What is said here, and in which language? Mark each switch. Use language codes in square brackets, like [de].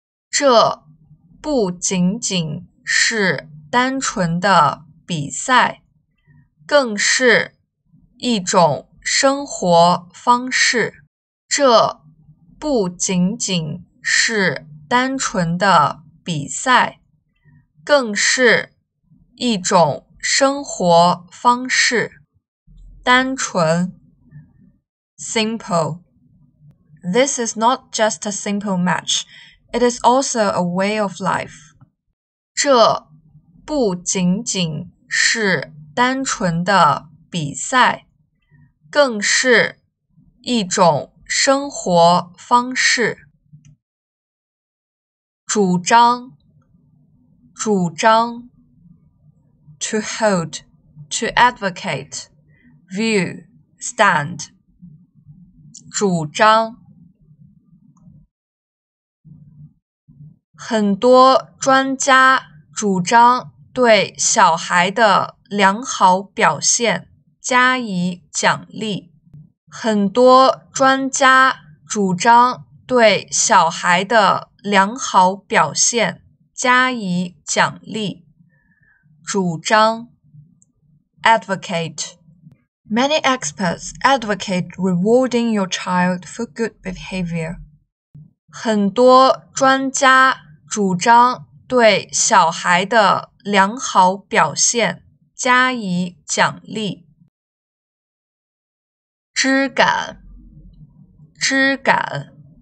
[zh] 这不仅仅是单纯的比赛，更是一种生活方式。这不仅仅是单纯的比赛，更是一种生活方式。单纯 Simple. [en] This is not just a simple match. It is also a way of life. [zh] 这不仅仅是单纯的比赛，更是一种生活方式。 [en] 主张 To hold, to advocate. View, stand. 主张。 [zh] 很多专家主张对小孩的良好表现加以奖励。很多专家主张对小孩的良好表现加以奖励。主张。Advocate. [en] Many experts advocate rewarding your child for good behavior. [zh] 很多专家主张对小孩的良好表现加以奖励。知感